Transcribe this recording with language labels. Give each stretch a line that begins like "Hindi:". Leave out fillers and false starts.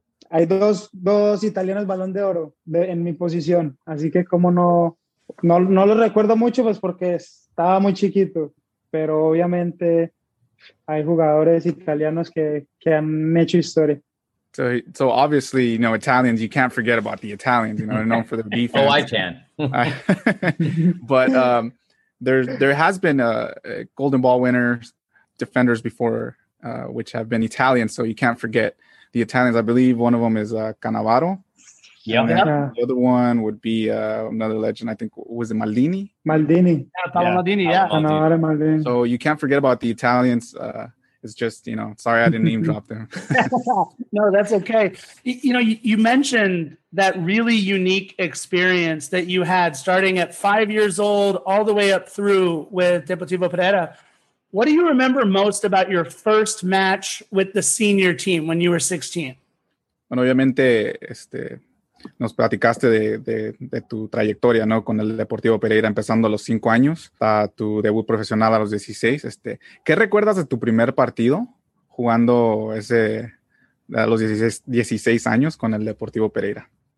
Spanish: Hay dos italianos Balón de Oro en mi posición, así que como no lo recuerdo mucho, pues porque estaba muy chiquito, pero obviamente hay jugadores italianos que han hecho historia.
English: So obviously, you know, Italians, you can't forget about the Italians, you know, known for their defense. Oh, I can. But there has been a Golden Ball winners, defenders before, which have been Italian, so you can't forget the Italians. I believe one of them is Cannavaro. Yeah. The other one would be another legend. I think, was it Maldini? Maldini. Maldini. So you can't forget about the Italians. It's just, you know, sorry I didn't name drop them. No, that's okay. You know, you mentioned that really unique experience that you had starting at 5 years old all the way up through with Deportivo Pereira. What do you remember most about your first match with the senior team when you were 16?
Spanish: Bueno, obviamente, nos platicaste de tu trayectoria, ¿no? Con el Deportivo Pereira empezando a los 5 años, a tu debut profesional a los 16. ¿Qué recuerdas de tu primer partido jugando ese a los 16 años con el Deportivo Pereira?